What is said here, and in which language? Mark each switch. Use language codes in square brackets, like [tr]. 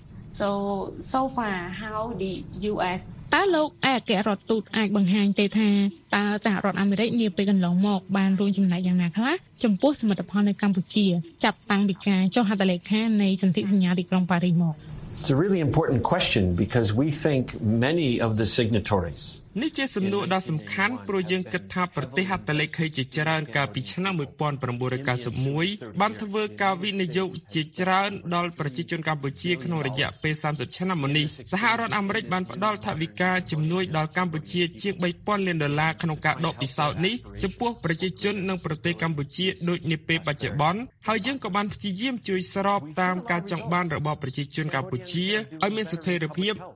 [en] So far how the US [km] តើលោកអគ្គរដ្ឋទូតអាចបង្ហាញទេថាតើសហរដ្ឋអាមេរិកនិយាយពេលកន្លងមកបានរួមចំណែកយ៉ាងណាខ្លះចំពោះសមិទ្ធផលនៅកម្ពុជាចាប់តាំងពីការចុះហត្ថលេខានៃសន្ធិសញ្ញាទីក្រុងប៉ារីសមក [en] It's a really important question because we think many of the signatories. [km] នេះជាសំណួរដ៏សំខាន់ព្រោះយើងគិតថាប្រទេសហត្ថលេខីជាច្រើនកាលពីឆ្នាំ1991បានធ្វើការវិនិយោគជាច្រើនដល់ប្រជាជនកម្ពុជាក្នុងរយៈពេល30ឆ្នាំមកនេះសហរដ្ឋអាមេរិកបានផ្តល់ថវិកាជំនួយដល់កម្ពុជាជាង 3,000 លានដុល្លារក្នុងការដកពិសោធន៍នេះចំពោះប្រជាជននិងប្រទេសកម្ពុជាដូចនាពេលបច្ចុប្បន្នហើយយើងក៏បានព្យាយាមជួយស្របតាមការចង់បានរបស់ប្រជាជនកម្ពុជាឲ្យមានស្ថិរភាព